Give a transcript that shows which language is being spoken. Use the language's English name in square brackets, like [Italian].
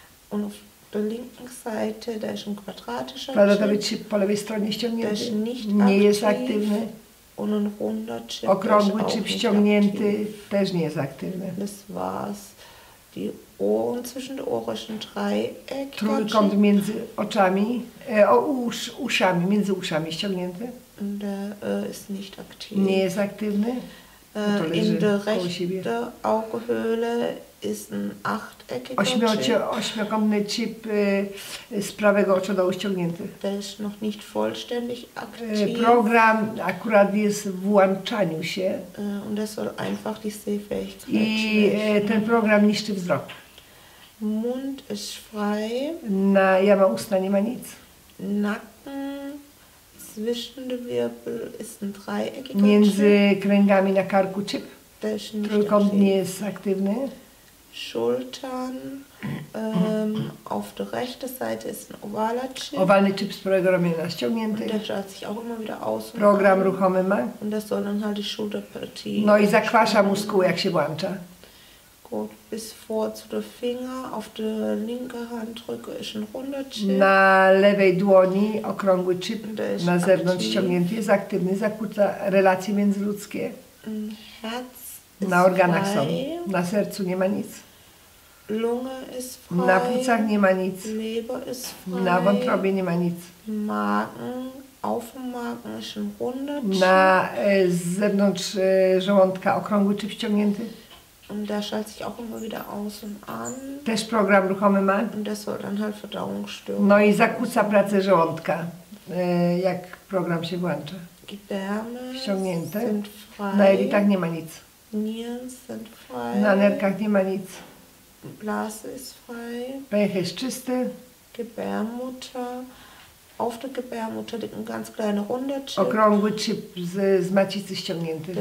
[German] Und auf der linken Seite, da ist ein quadratischer [Polish] Quadratowy chip po lewej stronie ściągnięty. Też [German] nicht [Polish] aktywny. Nie jest aktywny. [German] Und ein runder Chip. [Polish] Okrągły chip ściągnięty też nie jest aktywny. [German] Das war's. Die Ohren zwischen den Ohren ist ein Dreieck. [Polish] Trójkąt między oczami, uszami, między uszami ściągnięty. [German] Und der ist nicht aktiv. [Polish] Nie jest aktywny. [German] In der rechten Augenhöhle ist ein achteckiger Chip. [Polish] Ośmiokątny chip z prawego oczodołu ściągnięty. [German] Der ist noch nicht vollständig aktiv. [Polish] Program akurat jest w włączaniu się. [German] Und das soll einfach die Sehfähigkeit. [Polish] I ten program niszczy wzrok. [German] Mund ist frei. [Polish] Na jama usta nie ma nic. [German] Nacken. Zwischen den Wirbel ist ein dreieckiger Chip. [Polish] Między kręgami na karku chip. Też nie. Trójkąt nie jest aktywny. [German] Schultern. auf der rechten Seite ist ein ovaler Chip. [Polish] Ovalny chip z prawego ramienia ściągnięty. [German] Der schaut sich auch immer wieder aus. [Polish] Program ruchomy ma. [German] Und das soll dann halt die Schulterpartie. [Polish] No i zakwasza muskuły, jak się włącza. [German] Gut, bis vor zu der Finger, auf der linken Hand drücke ich ein runder Chip. [Polish] Na lewej dłoni okrągły chip na zewnątrz ściągnięty, jest aktywny, zakłóca relacje międzyludzkie. [German] Herz [Polish] na organach są, na sercu nie ma nic. [German] Lunge ist frei. [Polish] Na płucach nie ma nic. [German] Leber ist frei. [Polish] Na wątrobie nie ma nic. [German] Magen aufmachen, schon runde. [Polish] Na, zewnątrz żołądka okrągły czy wciągnięty? [German] Und da schalte ich auch immer wieder aus und an. [Polish] Też program ruchomy ma. [German] Und das soll dann halt Verdauungsstörung. [Polish] No i zakłóca pracę żołądka, jak program się włącza. [German] Gedärmes [Polish] wciągnięte. [German] Sind frei. [Polish] Na jelitach nie ma nic. [German] Nieren sind frei. [Polish] Na nerkach nie ma nic. [German] Blase ist frei. [Polish] Pęcherz jest czysty. [German] Gebärmutter. Auf der Gebärmutter liegt ein ganz kleiner runder Chip. [Polish] Okrągły chip z macicy ściągnięty.